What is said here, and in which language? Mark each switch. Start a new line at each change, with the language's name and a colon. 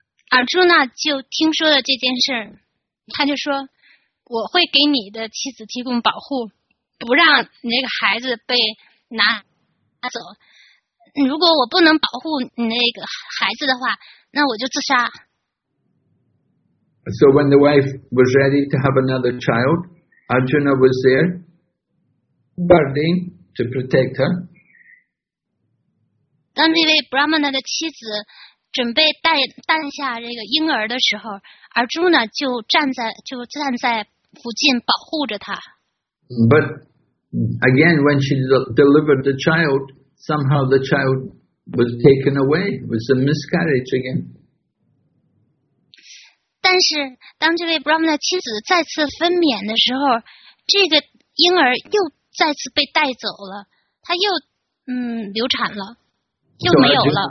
Chinese: Arjuna 就听说了这件事，他就说，我会给你的妻子提供保护，不让你那个孩子被拿走。如果我不能保护你那个孩子的话，那我就自杀。
English: So when the wife was ready to have another child, Arjuna was there, guarding to protect her.
Chinese: 当这位 Brahmana 的妻子准备诞下这个婴儿的时候， Arjuna 就站在附近保护着她。
English: But again, when she delivered the child, somehow the child was taken away. It was a miscarriage again.
Chinese: 但是当这位 Brahmana 的妻子再次分娩的时候，这个婴儿又再次被带走了，他又流产了，又没有了。